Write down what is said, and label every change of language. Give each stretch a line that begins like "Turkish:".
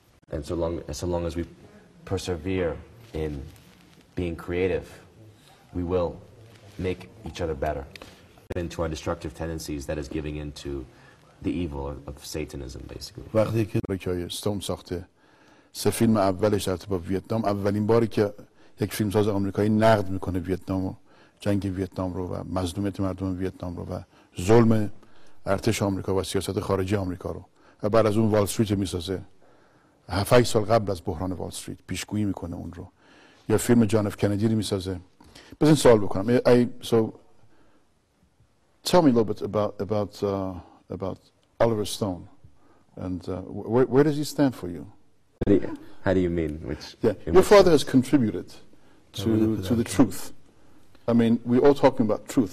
English: And so long as we persevere in being creative, we will make each other better. Into our destructive tendencies that is giving in to the evil of Satanism, basically.
Persian: وقتی که برای استون ساخته سه فیلم اولش در تبه ویتنام، اولین باری که یک فیلمساز آمریکایی نقد میکنه ویتنام رو، جنگ ویتنام رو و مظلومیت مردم ویتنام رو و ظلم ارتش آمریکا و سیاست خارجی آمریکا رو و بعد از اون وال استریت میسازه 7-8 سال قبل از بحران وال استریت پیشگویی میکنه اون رو، یا فیلم جان اف کندی میسازه. بزن سوال بکنم.
English: Tell me a little bit about Oliver Stone, and where does he stand for you? How do you mean? Your father has contributed to the truth. I mean, we're all talking about truth.